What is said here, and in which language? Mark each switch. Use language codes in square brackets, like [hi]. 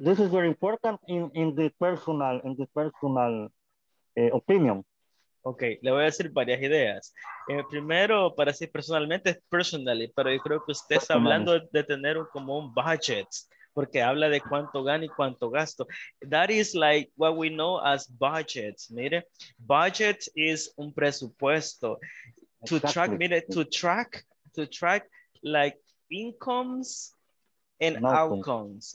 [en] This is very important in the personal opinion. [es] Ok, le voy a decir varias ideas. Primero, para decir personalmente, es personally, pero yo creo que usted está hablando de tener como un budget, porque habla de cuánto gana y cuánto gasto. [en] That is like what we know as budgets. Mire, budget is [es] un presupuesto. [en] To exactly. Track, mire, to track like incomes and outcomes.